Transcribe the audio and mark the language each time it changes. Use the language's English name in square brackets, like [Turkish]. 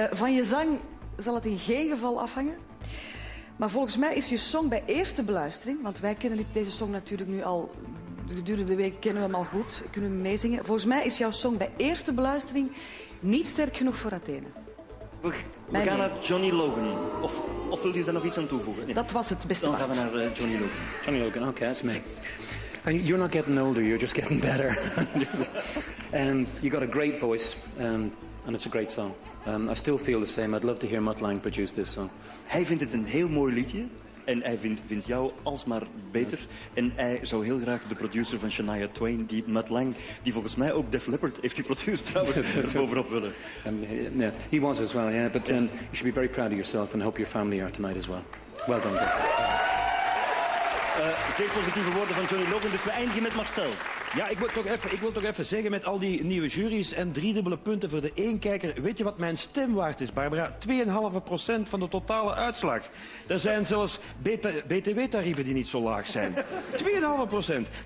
[Dutch] Van je zang zal het in geen geval afhangen. Maar volgens mij is je song bij eerste beluistering, want wij kennen deze song natuurlijk nu al... Gedurende de week kennen we hem al goed, kunnen we meezingen. Volgens mij is jouw song bij eerste beluistering niet sterk genoeg voor Athene. We gaan naar Johnny Logan. Of wil je daar nog iets aan toevoegen? Nee. Dat was het beste. Dan gaan we naar Johnny Logan. [English] Johnny Logan, oké, that's me. You're not getting older, you're just getting better. And you got a great voice, and it's a great song. I still feel the same. I'd love to hear Mutt Lange produce this song. [Dutch] Hij vindt het een heel mooi liedje. En hij vindt jou alsmaar beter. En hij zou heel graag de producer van Shania Twain, die Mutt Lange, die volgens mij ook Def Leppard heeft geproduceerd, trouwens, erbovenop willen. [English] He was as well, yeah. But you should be very proud of yourself and hope your family are tonight as well. Well done, Def. [Dutch] Zeer positieve woorden van Johnny Logan, dus we eindigen met Marcel. Ja, ik wil toch even zeggen, met al die nieuwe juries en driedubbele punten voor de éénkijker, weet je wat mijn stem waard is, Barbara? 2,5% van de totale uitslag. Er zijn zelfs btw-tarieven die niet zo laag zijn. 2,5%.